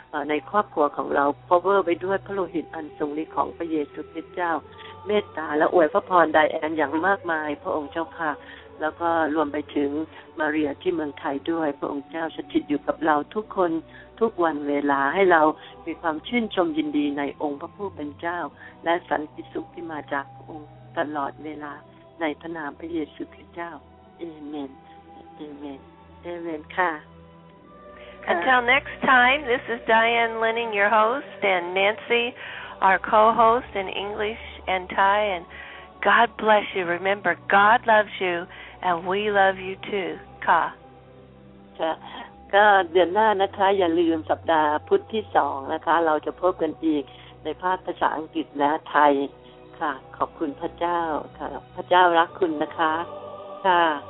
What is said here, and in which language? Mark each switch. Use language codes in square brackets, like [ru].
[th] ในครอบครัวของเราครอบครัวไปด้วยพระโลหิตอันทรงฤทธิ์ของพระเยซูคริสต์เจ้าเมตตาและอวยพระพรไดแอนอย่างมากมายพระองค์เจ้าค่ะแล้วก็รวมไปถึงมาเรียที่เมืองไทยด้วยพระองค์เจ้าสถิตอยู่กับเราทุกคนทุกวันเวลาให้เรามีความชื่นชมยินดีในองค์พระผู้เป็นเจ้าและสันติสุขที่มาจากพระองค์ตลอดเวลาในพระนามพระเยซูคริสต์เจ้าเอเมนเอเมนเอเมนค่ะ [en] Until next time, this is Diane Lenning, your host, and Nancy, our co-host in English and Thai, and God bless you. Remember, God loves you, and we love you too. [th] Ka. ก็เดือนหน้านะคะอย่าลืมสัปดาห์พุธที่2นะคะเราจะพบกันอีกในภาคภาษาอังกฤษและไทยค่ะขอบคุณพระเจ้าค่ะพระเจ้ารักคุณนะคะค่ะ